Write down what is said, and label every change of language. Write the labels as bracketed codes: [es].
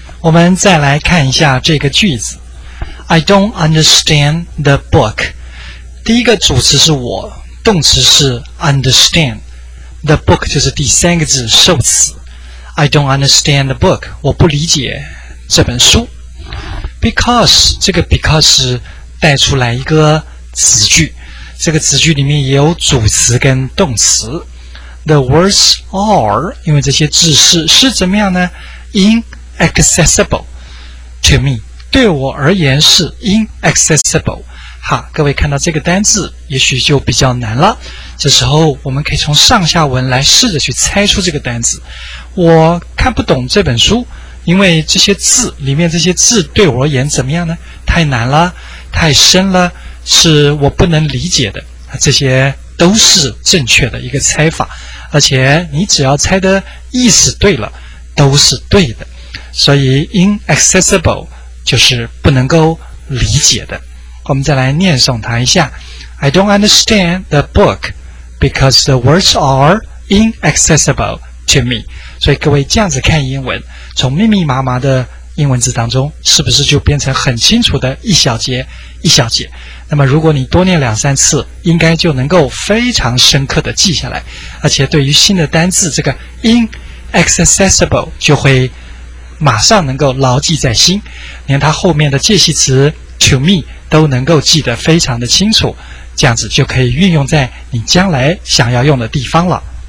[zh] 我们再来看一下这个句子。 [en] I don't understand the book. [zh] 第一个主词是我，动词是 understand. [en] The book [zh] 就是第三个字受词。 [en] I don't understand the book. [zh] 我不理解这本书。 Because, 这个 because 带出来一个子句。这个子句里面也有主词跟动词。 [en] The words are, [zh] 因为这些字是怎么样呢？ [en] Inaccessible to me, [zh] 对我而言是 inaccessible。好，各位看到这个单字也许就比较难了，这时候我们可以从上下文来试着去猜出这个单字。我看不懂这本书，因为这些字里面这些字对我而言怎么样呢？太难了，太深了，是我不能理解的。这些都是正确的一个猜法，而且你只要猜的意思对了都是对的。所以 inaccessible 就是不能够理解的。我们再来念诵它一下。 [en] I don't understand the book because the words are inaccessible to me. [zh] 所以各位这样子看英文，从密密麻麻的英文字当中是不是就变成很清楚的一小节一小节。那么如果你多念两三次，应该就能够非常深刻的记下来，而且对于新的单字这个 inaccessible 就会马上能够牢记在心，连它后面的介系词 [en] to me [zh] 都能够记得非常的清楚，这样子就可以运用在你将来想要用的地方了。